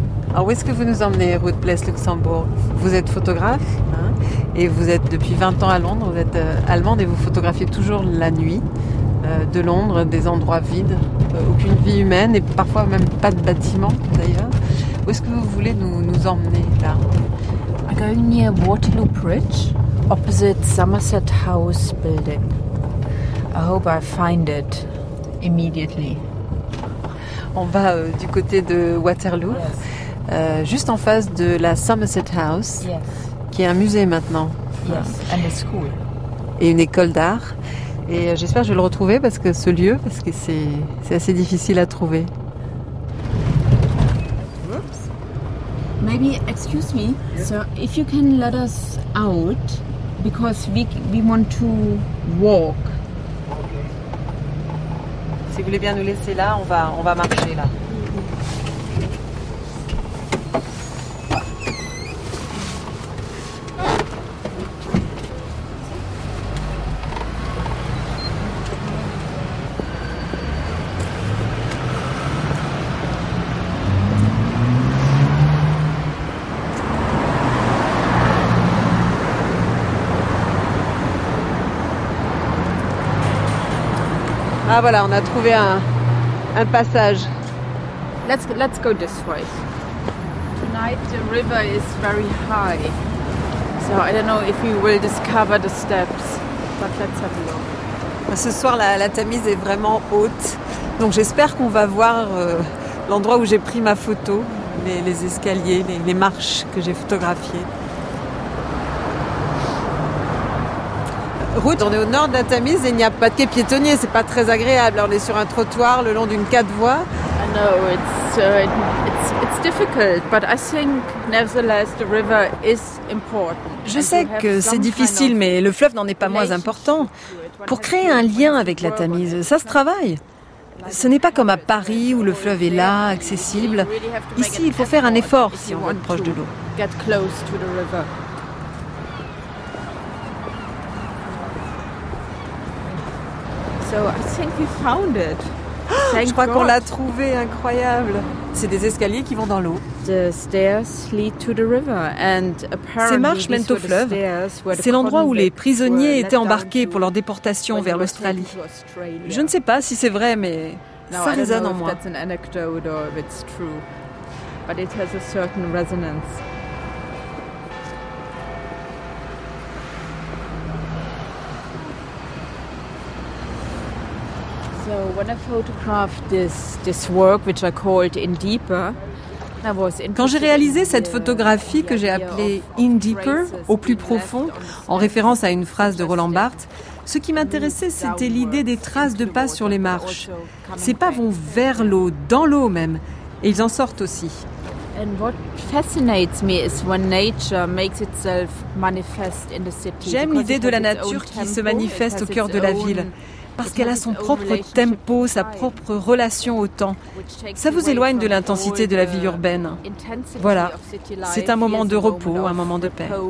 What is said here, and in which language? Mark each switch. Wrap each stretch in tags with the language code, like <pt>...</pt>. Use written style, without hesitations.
<fr>Alors, où est-ce que vous nous emmenez, Ruth Blesse Luxembourg? Vous êtes photographe, hein, et vous êtes depuis 20 ans à Londres. Vous êtes allemande et vous photographiez toujours la nuit de Londres, des endroits vides, aucune vie humaine et parfois même pas de bâtiment d'ailleurs. Où est-ce que vous voulez nous emmener là?</fr> <en>I'm going near Waterloo Bridge, opposite Somerset House building. I hope I find it immediately.</en> <fr>On va du côté de Waterloo.</fr> <en>Yes.</en> <fr>Juste en face de la Somerset House,</fr> <en>yes,</en> <fr>qui est un musée maintenant.</fr> <en>Yes. And a school.</en> <fr>Et une école d'art. Et j'espère que je vais le retrouver, parce que ce lieu, parce que c'est assez difficile à trouver.</fr> <en>Oops. Maybe, excuse me, yeah. So if you can let us out, because we want to walk.</en> <fr>Si vous voulez bien nous laisser là, on va marcher là. Ah voilà, on a trouvé un passage.</fr> <en>Let's go this way. Tonight the river is very high. So I don't know if you will discover the steps, but let's have a look.</en> <fr>Ce soir la Tamise est vraiment haute. Donc j'espère qu'on va voir l'endroit où j'ai pris ma photo, les escaliers, les marches que j'ai photographiées. Route, on est au nord de la Tamise et il n'y a pas de quai piétonnier, c'est pas très agréable. Alors, on est sur un trottoir le long d'une quatre voies.</fr> <en>I know it's difficult, but I think nevertheless the river is important.</en> <fr>Je sais que c'est difficile, mais le fleuve n'en est pas moins important. Pour créer un lien avec la Tamise, ça se travaille. Ce n'est pas comme à Paris où le fleuve est là, accessible. Ici, il faut faire un effort si on veut être proche de l'eau.</fr> <en>So I think we found it. Thank</en> <fr>Je crois</fr> <en>God.</en> <fr>Qu'on l'a trouvé, incroyable. C'est des escaliers qui vont dans l'eau.</fr> <en>The stairs lead to the river, and apparently</en> <fr>Ces marches mènent au fleuve. C'est l'endroit où les prisonniers étaient embarqués pour leur déportation vers l'Australie. Je ne sais pas si c'est vrai, mais ça résonne en moi.</fr> <en>That's an anecdote or if it's true, but it has a certain resonance. So when I photographed this work which I called In Deeper, I was</en> <fr>Quand j'ai réalisé cette photographie que j'ai appelée In Deeper, au plus profond, en référence à une phrase de Roland Barthes, ce qui m'intéressait, c'était l'idée des traces de pas sur les marches. Ces pas vont vers l'eau, dans l'eau même, et ils en sortent aussi.</fr> <en>And what fascinates me is when nature makes itself manifest in the city.</en> <fr>J'aime l'idée de la nature qui se manifeste au cœur de la ville. Parce qu'elle a son propre tempo, sa propre relation au temps. Ça vous éloigne de l'intensité de la vie urbaine. Voilà, c'est un moment de repos, un moment de paix.</fr>